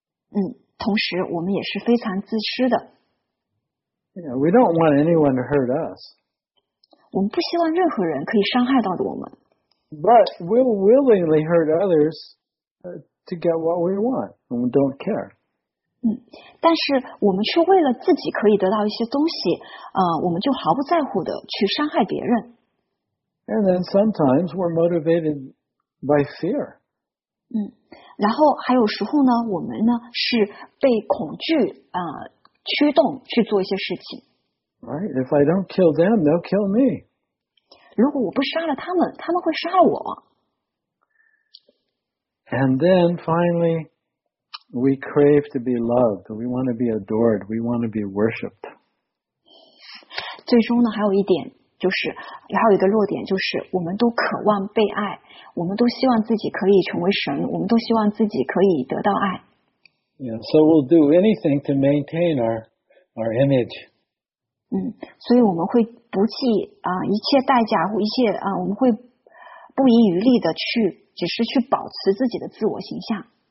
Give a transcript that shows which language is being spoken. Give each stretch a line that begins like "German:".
Chinese: 嗯，同时我们也是非常自私的。
English: Yeah, we don't want anyone to hurt us.
Chinese: 我们不希望任何人可以伤害到我们。
English: But we'll willingly hurt others to get what we want. We don't care.
Chinese: 嗯，但是我们却为了自己可以得到一些东西，我们就毫不在乎的去伤害别人。
English: And then sometimes we're motivated by fear.
Chinese: 嗯，然后还有时候呢，我们呢是被恐惧驱动去做一些事情。
English: Right. If I don't kill them, they'll kill me.
Chinese: 如果我不杀了他们，他们会杀我。
English: And then finally, we crave to be loved. We want to be adored. We want to be worshipped.
Chinese: 最终呢，还有一点就是，还有一个弱点就是，我们都渴望被爱，我们都希望自己可以成为神，我们都希望自己可以得到爱。
English: Yeah. So we'll do anything to maintain our image.
Chinese: 嗯，所以我们会不计一切代价，或一切我们会不遗余力的去，只是去保持自己的自我形象。